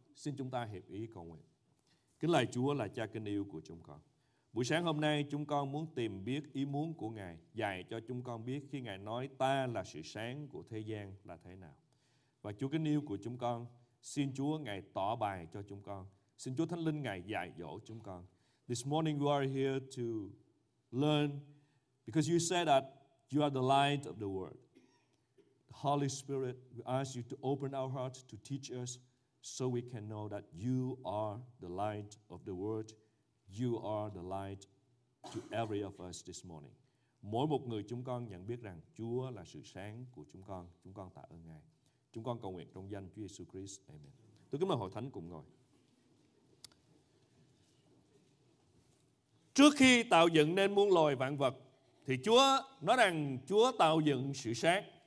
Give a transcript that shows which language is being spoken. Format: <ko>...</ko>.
<vi>Xin chúng ta hiệp ý cầu nguyện. Kính lạy Chúa là Cha kính yêu của chúng con. Buổi sáng hôm nay chúng con muốn tìm biết ý muốn của Ngài, dạy cho chúng con biết khi Ngài nói ta là sự sáng của thế gian là thế nào. Và Chúa kính yêu của chúng con, xin Chúa Ngài tỏ bài cho chúng con. Xin Chúa Thánh Linh Ngài dạy dỗ chúng con.</vi> <en>This morning you are here to learn because you said that you are the light of the world. Holy Spirit, we ask you to open our hearts to teach us so we can know that you are the light of the world. You are the light to every of us this morning.</en> <vi>Mỗi một người chúng con nhận biết rằng Chúa là sự sáng của chúng con. Chúng con tạ ơn Ngài. Chúng con cầu nguyện trong danh Chúa Giêsu Christ. Amen. Tôi kính mời hội thánh cùng ngồi. Trước khi tạo dựng nên muôn loài vạn vật, thì Chúa nói rằng Chúa tạo dựng sự sáng.</vi>